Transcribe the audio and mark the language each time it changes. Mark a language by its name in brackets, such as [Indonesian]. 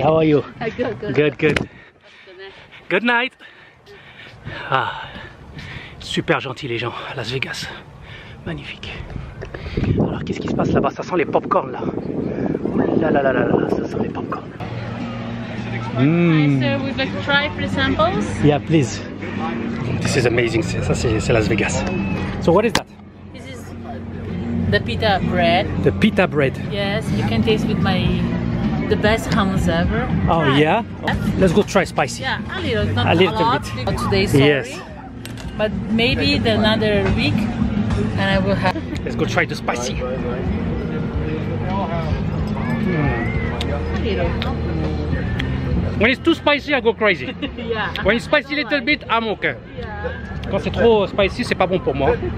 [English] Hi, how are you? Good. Good night. [French] Ah, super gentil les gens, Las Vegas. Magnifique. Alors qu'est-ce qui se passe là-bas? Ça sent les pop-corn là. Oh là là là là là, ça sent les pop-corn. [English] Hi, sir, would you like to try for samples? Yeah, please. This is amazing. [French] Ça, c'est Las Vegas. [English] So what is that? This is the pita bread. The pita bread. Yes, you can taste with my the best hummus ever. Oh, try. Yeah? Let's go try spicy. Yeah, a little bit. Not today, sorry. Yes. But maybe the another week and I will have... Let's go try the spicy. Mm. A little. When it's too spicy, I go crazy. Yeah. When it's spicy a little bit, I'm okay. Yeah. [French] Quand c'est trop spicy, c'est pas bon pour moi.